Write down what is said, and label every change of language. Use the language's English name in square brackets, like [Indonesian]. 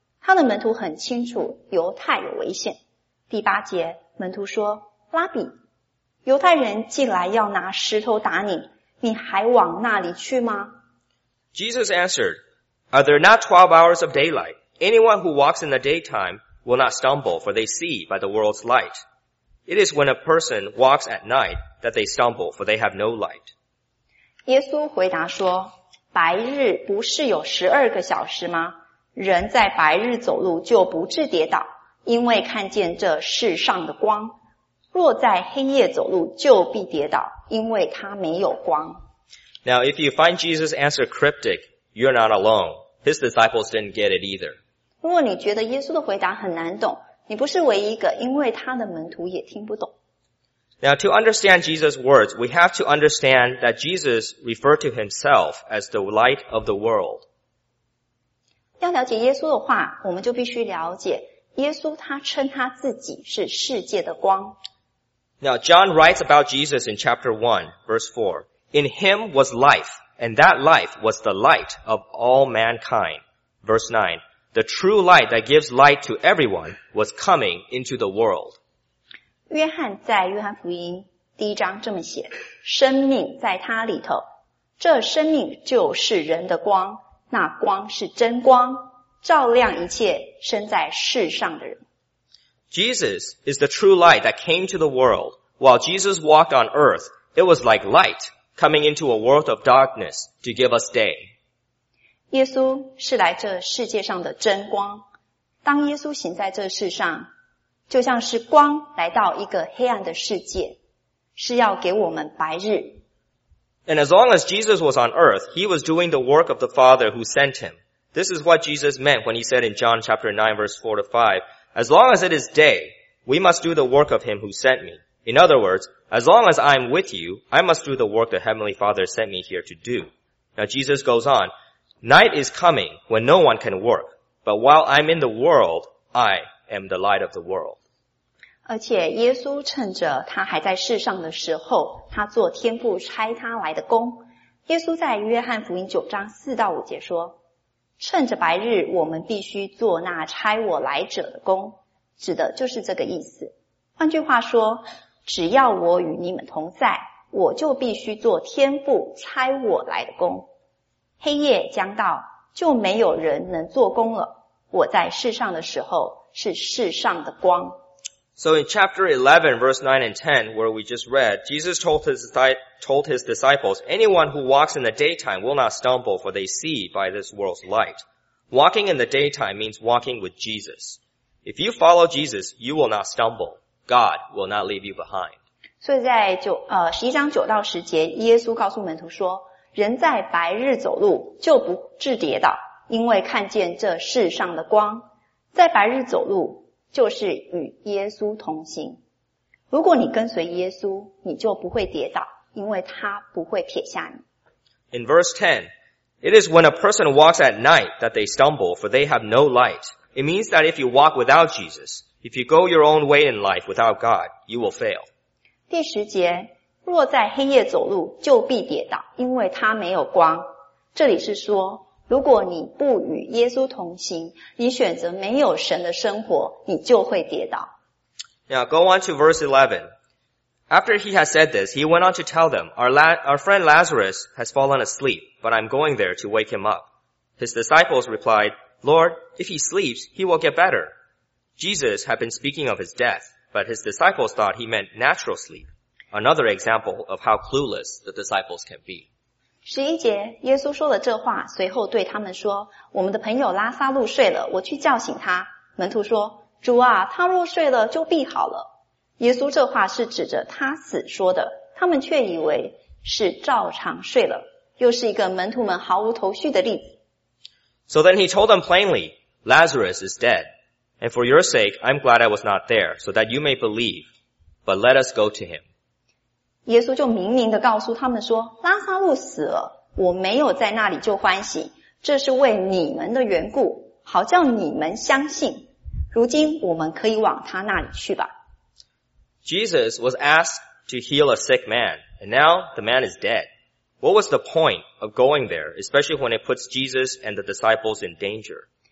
[Chinese] 他的门徒很清楚犹太有危险。第8节，门徒说，拉比，犹太人进来要拿石头打你，你还往那里去吗？ [English] Jesus answered, Are there not 12 hours of daylight? Anyone who walks in the daytime will not stumble, for they see by the world's light. It is when a person walks at night that they stumble, for they have no light. [Chinese] 耶稣回答说，白日不是有12个小时吗？人在白日走路就不致跌倒，因为看见这世上的光。若在黑夜走路就必跌倒，因为他没有光。 [English] Now, if you find Jesus' answer cryptic, you're not alone. His disciples didn't get it either. [Chinese] 如果你觉得耶稣的回答很难懂，你不是唯一一个，因为他的门徒也听不懂。 [English] Now, to understand Jesus' words, we have to understand that Jesus referred to himself as the light of the world. [Chinese] 要了解耶稣的话，我们就必须了解耶稣他称他自己是世界的光。 [English] Now, John writes about Jesus in chapter 1, verse 4. In him was life, and that life was the light of all mankind. Verse 9. The true light that gives light to everyone was coming into the world. [Chinese] 约翰在约翰福音第一章这么写，生命在他里头，这生命就是人的光，那光是真光，照亮一切生在世上的人。 [English] Jesus is the true light that came to the world. While Jesus walked on earth, it was like light coming into a world of darkness to give us day. [Chinese] 耶稣是来这世界上的真光，当耶稣行在这世上，就像是光来到一个黑暗的世界，是要给我们白日。 [English] And as long as Jesus was on earth, he was doing the work of the Father who sent him. This is what Jesus meant when he said in John chapter 9 verse 4 to 5, as long as it is day, we must do the work of him who sent me. In other words, as long as I am with you, I must do the work the Heavenly Father sent me here to do. Now Jesus goes on, night is coming when no one can work, but while I'm in the world, I am the light of the world. [Chinese] 而且耶稣趁着他还在世上的时候，他做天父差他来的工。耶稣在约翰福音九章四到五节说，趁着白日，我们必须做那差我来者的工，指的就是这个意思。换句话说，只要我与你们同在，我就必须做天父差我来的工。黑夜将到，就没有人能做工了。我在世上的时候是世上的光。 [English] So in chapter 11 verse 9 and 10 where we just read, Jesus told his disciples, anyone who walks in the daytime will not stumble, for they see by this world's light. Walking in the daytime means walking with Jesus. If you follow Jesus, you will not stumble. God will not leave you behind. [Chinese] 所以在11章9到10节，耶稣告诉门徒说，人在白日走路就不致跌倒，因为看见这世上的光。在白日走路就是与耶稣同行，如果你跟随耶稣，你就不会跌倒，因为他不会撇下你。 [English] In verse 10, it is when a person walks at night that they stumble, for they have no light. It means that if you walk without Jesus, if you go your own way in life without God, you will fail. [Chinese] 第十节，若在黑夜走路就必跌倒，因为他没有光。这里是说，如果你不与耶稣同行，你选择没有神的生活，你就会跌倒。 [English] Now go on to verse 11. After he had said this, he went on to tell them, our friend Lazarus has fallen asleep, but I'm going there to wake him up. His disciples replied, Lord, if he sleeps, he will get better. Jesus had been speaking of his death, but his disciples thought he meant natural sleep. Another example of how clueless the disciples can be. [Chinese] 十一节，耶稣说了这话，随后对他们说，我们的朋友拉撒路睡了，我去叫醒他。门徒说，主啊，他若睡了就必好了。耶稣这话是指着他死说的，他们却以为是照常睡了，又是一个门徒们毫无头绪的例子。 [English] So then he told them plainly, Lazarus is dead, and for your sake, I'm glad I was not there, so that you may believe, but let us go to him. [Chinese] 耶稣就明明地告诉他们说，拉撒路死了，我没有在那里就欢喜，这是为你们的缘故，好叫你们相信，如今我们可以往他那里去吧。 [English] Jesus was asked to heal a sick man, and now the man is dead. What was the point of going there, especially when it puts Jesus and the disciples in danger?